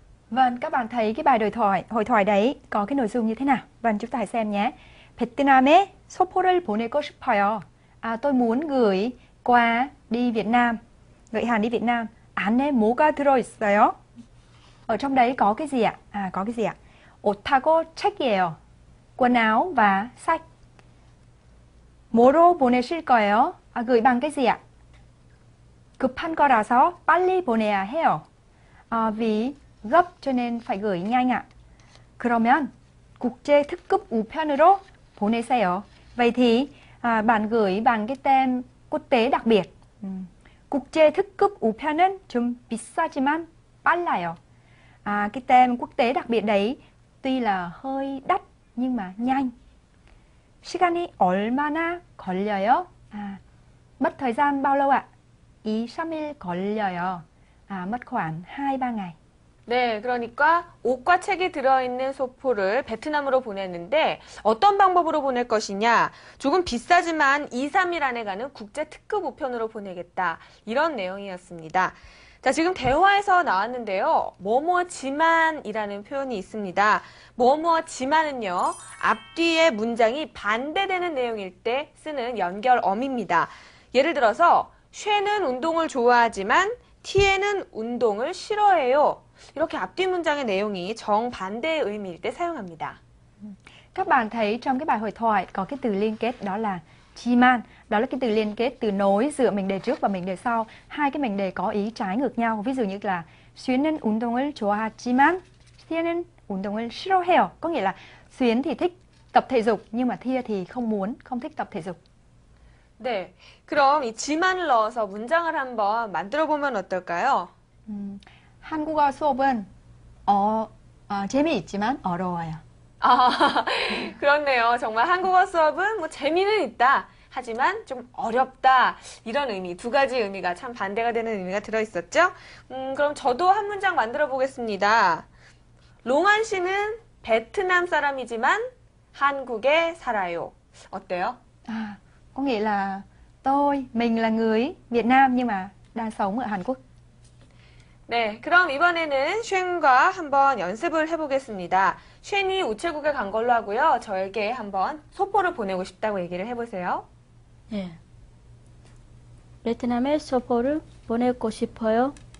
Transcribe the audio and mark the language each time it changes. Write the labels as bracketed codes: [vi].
[vi] Vâng, các bạn thấy cái bài hội thoại đấy có cái nội dung như thế nào? Vâng, chúng ta hãy xem nhé. [ko] Vietnam에 소포를 보내고 싶어요. [vi] À, tôi muốn gửi quà đi Việt Nam. Gửi hàng đi Việt Nam. [ko] 안에 뭐가 들어있어요? [vi] Ở trong đấy có cái gì ạ? À, có cái gì ạ? [ko] 옷하고 책이에요. [vi] Quần áo và sách. [ko] 뭐로 보내실 거예요? [vi] À, gửi bằng cái gì ạ? [ko] 급한 거라서 빨리 보내야 해요. [vi] À, vì gấp cho nên phải gửi nhanh ạ. [ko] 그러면 국제 특급 우편으로 보내세요. [vi] Vậy thì bạn gửi bằng cái tem quốc tế đặc biệt. [ko] 국제 특급 우편은 좀 비싸지만 빨라요. [vi] À, cái tem quốc tế đặc biệt đấy tuy là hơi đắt nhưng mà nhanh. [ko] 시간이 얼마나 걸려요? [vi] À, mất thời gian bao lâu ạ? [ko] 2-3일 걸려요. [vi] À, mất khoảng 2-3 ngày. [ko] 네, 그러니까 옷과 책이 들어있는 소포를 베트남으로 보냈는데 어떤 방법으로 보낼 것이냐? 조금 비싸지만 2-3일 안에 가는 국제특급 우편으로 보내겠다. 이런 내용이었습니다. 자, 지금 대화에서 나왔는데요. 뭐뭐지만이라는 표현이 있습니다. 뭐뭐지만은요, 앞뒤에 문장이 반대되는 내용일 때 쓰는 연결어입니다. 예를 들어서 쉐는 운동을 좋아하지만 티에는 운동을 싫어해요. 이렇게 앞뒤 문장의 내용이 정반대의 의미일 때 사용합니다. [vi] Các bạn thấy trong cái bài hội thoại có cái từ liên kết đó là 지만. Đó là cái từ liên kết, từ nối giữa mệnh đề trước và mệnh đề sau. Hai cái mệnh đề có ý trái ngược nhau. Ví dụ như là [ko] 쉐는 운동을 좋아하지만 티에는 운동을 싫어해요. [vi] Có nghĩa là 쉐는 thì thích tập thể dục nhưng mà 티에 thì không thích tập thể dục. [ko] 네, 그럼 이 지만을 넣어서 문장을 한번 만들어 보면 어떨까요? 한국어 수업은 재미있지만 어려워요. 아, 그렇네요. 정말 한국어 수업은 뭐 재미는 있다. 하지만 좀 어렵다. 이런 의미, 두 가지 의미가 참 반대가 되는 의미가 들어있었죠? 그럼 저도 한 문장 만들어 보겠습니다. 롱한 씨는 베트남 사람이지만 한국에 살아요. 어때요? 아. [vi] Có nghĩa là mình là người Việt Nam nhưng mà đang sống ở Hàn Quốc. [ko] 네, 그럼 이번에는 쉔과 한번 연습을 해보겠습니다. 쉔이 우체국에 간 걸로 하고요. 저에게 한번 소포를 보내고 싶다고 얘기를 해보세요. 네. 베트남에 소포를 보내고 싶어요.